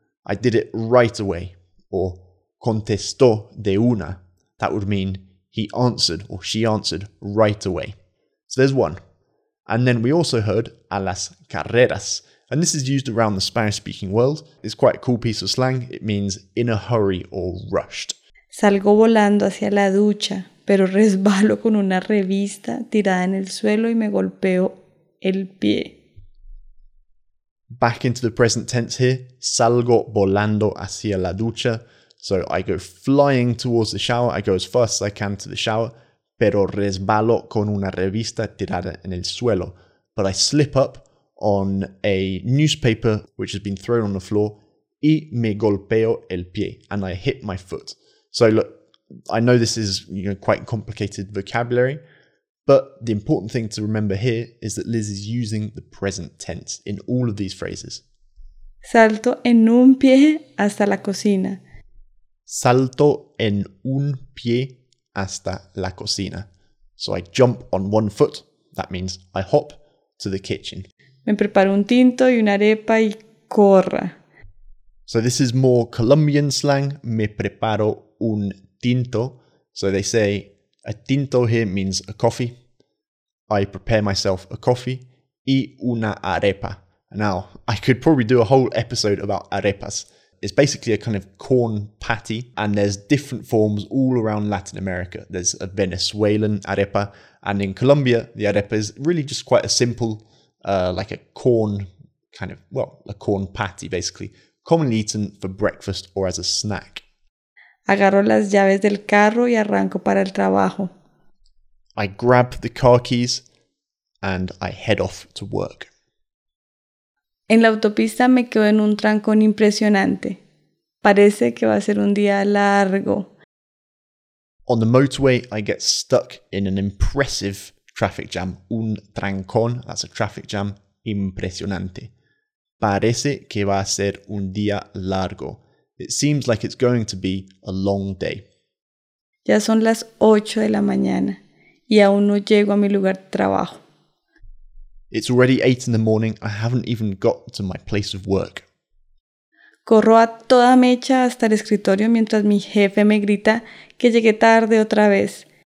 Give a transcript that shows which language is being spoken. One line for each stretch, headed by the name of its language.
English: I did it right away. Or
Spanish: contestó de una.
English: That would mean he answered or she answered right away. So there's one. And then we also heard
Spanish: a las carreras.
English: And this is used around the Spanish-speaking world. It's quite a cool piece of slang. It means in a hurry or rushed.
Spanish: Salgo volando hacia la ducha, pero resbalo con una revista tirada en el suelo y me golpeo el pie.
English: Back into the present tense here.
Spanish: Salgo volando hacia la ducha.
English: So I go flying towards the shower. I go as fast as I can to the shower.
Spanish: Pero resbalo con una revista tirada en el suelo.
English: But I slip up on a newspaper which has been thrown on the floor.
Spanish: Y me golpeo el pie.
English: And I hit my foot. So look, I know this is, you know, quite complicated vocabulary. But the important thing to remember here is that Liz is using the present tense in all of these phrases.
Spanish: Salto en un pie hasta la cocina. Salto en un pie hasta la cocina.
English: So I jump on one foot, that means I hop to the kitchen.
Spanish: Me preparo un tinto y una arepa y corra.
English: So this is more Colombian slang,
Spanish: me preparo un tinto.
English: So they say, a tinto here means a coffee. I prepare myself a coffee.
Spanish: Y una arepa.
English: Now, I could probably do a whole episode about arepas. It's basically a kind of corn patty, and there's different forms all around Latin America. There's a Venezuelan arepa, and in Colombia, the arepa is really just quite a simple, like a corn kind of, well, a corn patty, basically, commonly eaten for breakfast or as a snack.
Spanish: Agarro las llaves del carro y arranco para el trabajo.
English: I grab the car keys and I head off to work.
Spanish: En la autopista me quedo en un trancón impresionante. Parece que va a ser un día largo.
English: On the motorway, I get stuck in an impressive traffic jam. Un trancón, that's a traffic jam, impresionante.
Spanish: Parece que va a ser un día largo.
English: It seems like it's going to be a long day.
Spanish: Ya son las 8 de la mañana y aún no llego a mi lugar de trabajo.
English: It's already 8 in the morning. I haven't even got to my place of work.
Spanish: Corro a toda mecha hasta el escritorio mientras mi jefe me grita que llegué tarde otra vez.